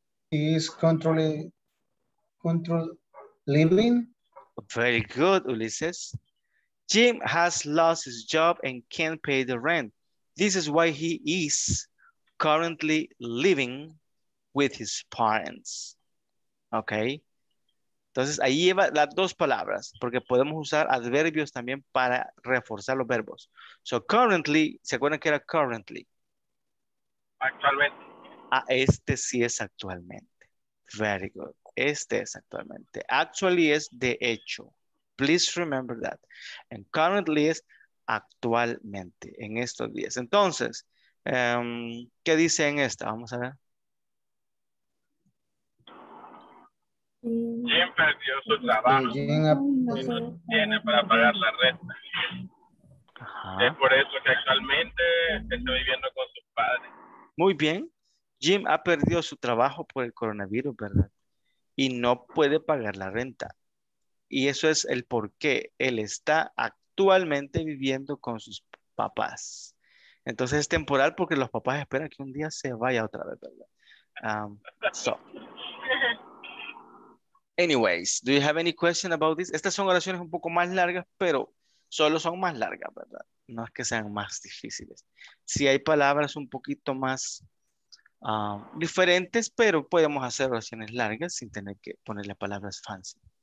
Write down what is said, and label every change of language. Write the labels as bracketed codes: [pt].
[en] is control living. Very good, Ulises. Jim has lost his job and can't pay the rent. This is why he is currently living with his parents. Okay. [es] Entonces, ahí lleva las dos palabras, porque podemos usar adverbios también para reforzar los verbos. So, currently, ¿se acuerdan que era currently? Actualmente. Ah, este sí es actualmente. [en] Very good. [es] Este es actualmente. Actually es de hecho. [en] Please remember that. [es] And currently es actualmente, en estos días. Entonces, ¿qué dice en esta? Vamos a ver. Jim perdió su trabajo y no tiene para pagar la renta. Ajá. Es por eso que actualmente está viviendo con sus padres. Muy bien. Jim ha perdido su trabajo por el coronavirus, ¿verdad? Y no puede pagar la renta. Y eso es el por qué él está actualmente viviendo con sus papás. Entonces es temporal porque los papás esperan que un día se vaya otra vez, ¿verdad? [en] Anyways, do you have any question about this? [es] Estas son oraciones un poco más largas, pero solo son más largas, ¿verdad? No es que sean más difíciles. Sí hay palabras un poquito más diferentes, pero podemos hacer oraciones largas sin tener que ponerle palabras fancy.